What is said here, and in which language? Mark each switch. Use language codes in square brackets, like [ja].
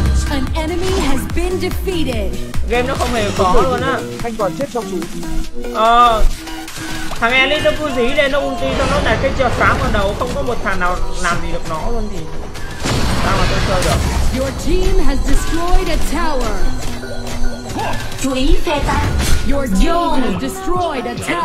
[en] An enemy has been defeated. [vi] Game nó không hề khó luôn á. Thanh toàn chết trong chú. Thằng Ellie nó cứ dí lên nó ulti cho nó là cái chiều sáng vào đầu, không có một thằng nào làm gì được nó luôn thì sao mà tôi chơi được. [en] Your team has destroyed a tower. [vi] Chú ý phe ta. [en] Your team has destroyed a tower.